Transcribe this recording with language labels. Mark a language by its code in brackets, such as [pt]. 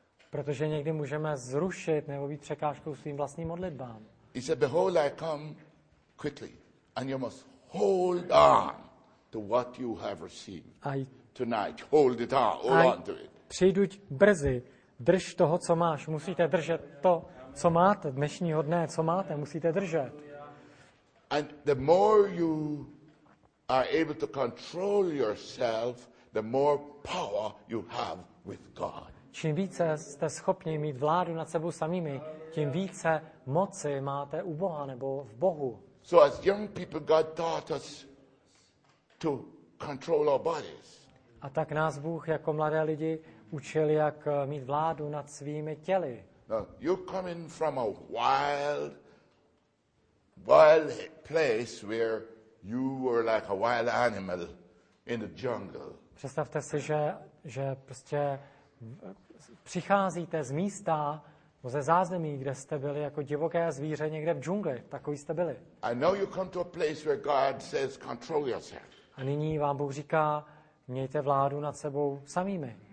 [cs] Protože někdy můžeme zrušit nebo být překážkou svým vlastním modlitbám. [en] He said, behold, I come quickly, and you must hold on to what you have received tonight. Hold it on, hold on to it. [cs] Přijduť brzy, drž toho, co máš. Musíte držet to, co máte dnešního dne, co máte, musíte držet. [en] And the more you are able to control yourself, the more power you have with God. [cs] Čím více jste schopni mít vládu nad sebou samými, tím více moci máte u Boha nebo v Bohu. [en] So as young people, God taught us to control our bodies. [cs] A tak nás Bůh jako mladé lidi učil, jak mít vládu nad svými těly. [en] Now, you're coming from a wild place where you were like a wild animal in the jungle. [cs] Představte si, že prostě přicházíte z místa, ze zázemí, kde jste byli jako divoké zvíře někde v džungli, takový jste byli. [en] I know you come to a place where God says control yourself. [cs] A nyní vám Bůh říká, mějte vládu nad sebou samými.